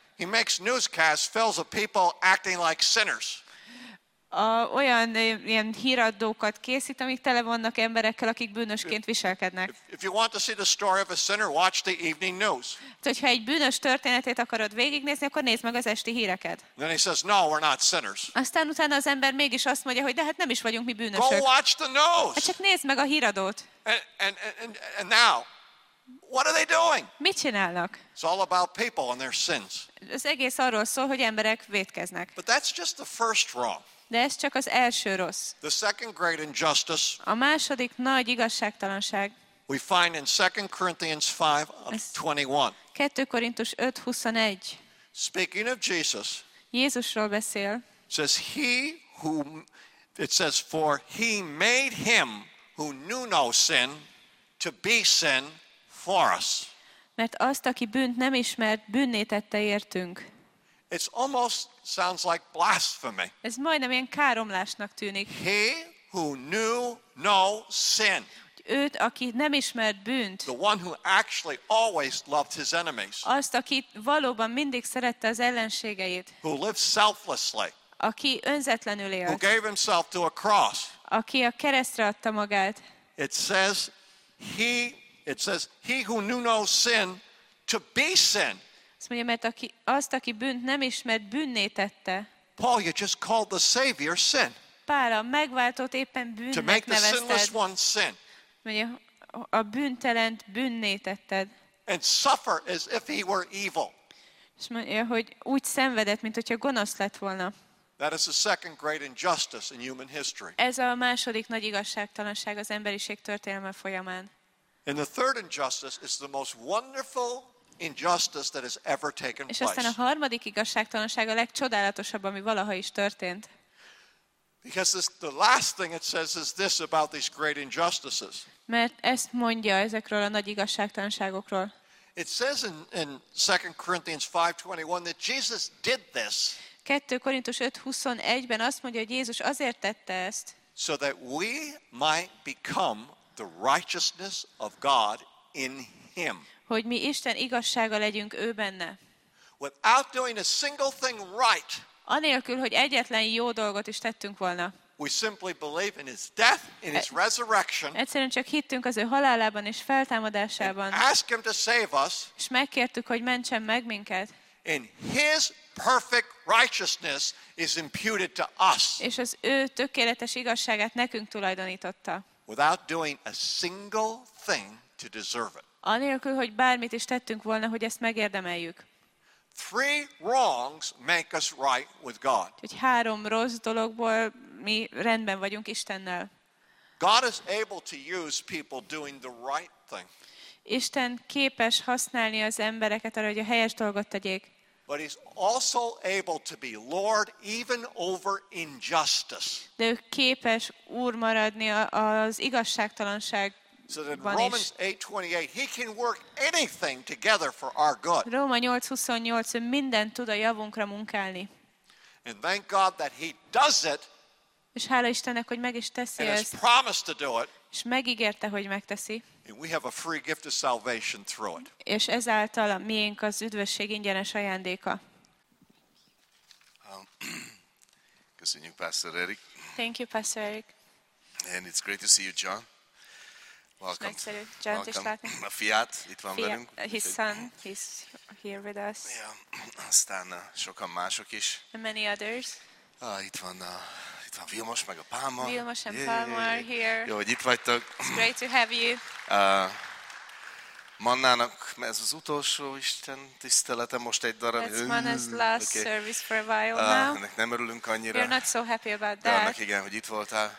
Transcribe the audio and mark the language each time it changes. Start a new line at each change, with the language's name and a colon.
English: He makes newscasts filled with people acting like sinners.
Hungarian: Olyan ilyen híradókat készít, amik tele vannak emberekkel, akik bűnösként viselkednek.
English: If you want to see the story of a sinner, watch the evening news.
Hungarian: Hogyha egy bűnös történetét akarod végignézni, akkor nézd meg az esti híreket.
English: Then he says, no, we're not sinners.
Hungarian: Aztán utána az ember mégis azt mondja, hogy de hát nem is vagyunk mi bűnösök.
English: Go watch the news.
Hungarian: Hát csak nézd meg a híradót.
English: And now, what are they doing?
Hungarian: Mit csinálnak?
English: It's all about people and their sins.
Hungarian: Ez egész arról szól, hogy emberek vétkeznek.
English: But that's just the first wrong.
Hungarian: De ez csak az első rossz.
English: The second great injustice.
Hungarian: A második nagy igazságtalanság.
English: We find in 2 Corinthians 5:21.
Hungarian: 2 Korintus 5:21.
English: Speaking of Jesus.
Hungarian: Jézusról beszél.
English: Says he who it says for he made him who knew no sin to be sin for us.
Hungarian: Mert azt, aki bűnt nem ismert, bűnné tette értünk.
English: It's almost sounds like blasphemy.
Hungarian: Ez majdnem ilyen káromlásnak tűnik.
English: He who knew no sin.
Hungarian: Őt, aki nem ismert bűnt.
English: The one who actually always loved his enemies.
Hungarian: Azt, aki valóban mindig szerette az ellenségeit.
English: Who lived selflessly.
Hungarian: Aki önzetlenül élt.
English: Who gave himself to a cross.
Hungarian: Aki a keresztre adta magát.
English: It says he who knew no sin to be sin.
Hungarian: Azt mondja, mert azt, aki bűnt nem ismert, bűnné tette.
English: Paul, you just called the Savior sin.
Hungarian: Pál, a megváltót éppen bűnnek nevezted.
English: To make the sinless one sin.
Hungarian: Mondja, a bűntelent bűnné tetted.
English: And suffer as if he were evil.
Hungarian: És mondja, hogy úgy szenvedett, mint hogyha gonosz lett volna.
English: That is the second great injustice in human history.
Hungarian: Ez a második nagy igazságtalanság az emberiség történelme folyamán.
English: And the third injustice is the most wonderful injustice that has ever taken place.
Hungarian: És aztán a harmadik igazságtalanság a legcsodálatosabb, ami valaha is történt.
English: Because this, the last thing it says is this about these great injustices.
Hungarian: Mert ezt mondja ezekről a nagy igazságtalanságokról.
English: It says in 2 Corinthians 5:21 that Jesus did this.
Hungarian: 2 Korintus 5:21-ben azt mondja, hogy Jézus azért tette ezt.
English: So that we might become the righteousness of God in him.
Hungarian: Hogy mi Isten igazsága legyünk ő benne.
English: Without doing a single thing right.
Hungarian: Anélkül, hogy egyetlen jó dolgot is tettünk volna.
English: We simply believe in his death, in his resurrection.
Hungarian: Egyszerűen csak hittünk az ő halálában és feltámadásában.
English: And ask him to save us.
Hungarian: És megkértük, hogy mentsen meg minket.
English: And his perfect righteousness is imputed to us.
Hungarian: És az ő tökéletes igazságát nekünk tulajdonította.
English: without doing a single thing to deserve it.
Hungarian: Anélkül, hogy bármit is tettünk volna, hogy ezt megérdemeljük.
English: Three wrongs make us right with God.
Hungarian: Hogy három rossz dologból mi rendben vagyunk Istennel.
English: God is able to use people doing the right thing.
Hungarian: Isten képes használni az embereket arra, hogy a helyes dolgot tegyék.
English: But he's also able to be Lord even over injustice.
Hungarian: De ő képes úr maradni az igazságtalanság.
English: So that in Romans 8:28, he can work anything together for our good.
Hungarian: Róma 8:28, ő mindent tud a javunkra munkálni.
English: And thank God that he does it.
Hungarian: És hála Istennek, hogy meg is teszi ezt.
English: And has promised to do it.
Hungarian: És megígérte, hogy megteszi.
English: And we have a free gift of salvation through it.
Hungarian: És ezáltal miénk az üdvösség ingyenes ajándéka. Köszönjük, Pastor Eric.
English: Thank you, Pastor Eric. And it's great to see you, John. Welcome.
Hungarian: Nagyszerű, John, is látni. A fiát itt van velünk.
English: His son, he's here with us.
Hungarian: Yeah. Aztán sokan mások is.
English: And many others.
Hungarian: Itt van Vilmos meg a Pálma.
English: Vilmos and Pálma are here.
Hungarian: Jó, hogy itt vagytok.
English: It's great to have you.
Hungarian: Mannának ez az utolsó Isten tisztelete most egy darab.
English: That's Manna's last service for a while now.
Hungarian: Ennek nem örülünk annyira.
English: We're not so happy about that.
Hungarian: De annak igen, hogy itt voltál.